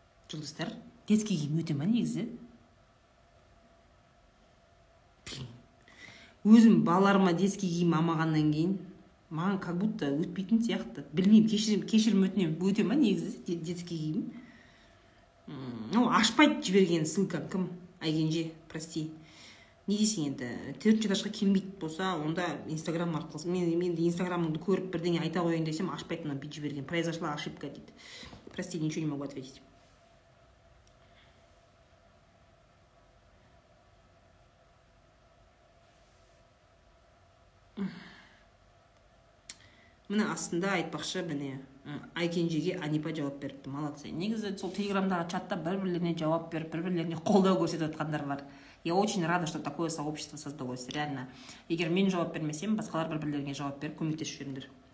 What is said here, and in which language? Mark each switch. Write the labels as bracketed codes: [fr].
[kk] Жұлдыздар, детский киім өте ма негізі? Өзім балаларыма детский киім алмағаннан кейін маған как будто өтпейтін сияқты. Білмеймін, кешірім өтінем, өте ма негізі детский киім? Ашпайды жіберген ссылка кім? [ru] Айгенже, прости. [kk] Не десең енді, төртінші этажға келмейді болса, онда инстаграм арқылы. Мен инстаграмыңды көріп бірдеңе айта қояйын десем, ашпайтын бит жіберген. [ru] Произошла ошибка дейді. Прости, ничего не могу ответить. [kk] Міне астында айтпақшы, міне Айкенжеге Анипа жауап беріпті. Молодцы. Негізі сол телеграмдағы чатта бір-бірлеріне жауап беріп, бір-бірлеріне қолдау көрсетіп жатқандар бар. [ru] Я очень рада, что такое сообщество создалось. Реально. [kk] Егер мен жауап бермесем, басқалар бір-бірлеріне жауап беріп, көмектесіп жүріңдер.